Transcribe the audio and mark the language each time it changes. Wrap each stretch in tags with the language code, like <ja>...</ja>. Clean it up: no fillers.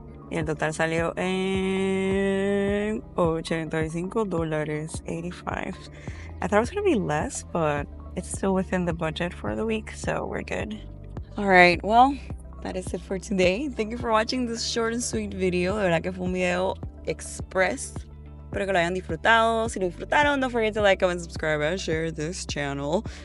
<es>Y el total salió en $85.85.</es> <en>I thought it was gonna be less, but it's still within the budget for the week, so we're good. All right, well, that is it for today. Thank you for watching this short and sweet video.</en> <es>De verdad que fue un video express. Espero que lo hayan disfrutado. Si lo disfrutaron,</es> <en>don't forget to like, comment, subscribe, and share this channel.</en>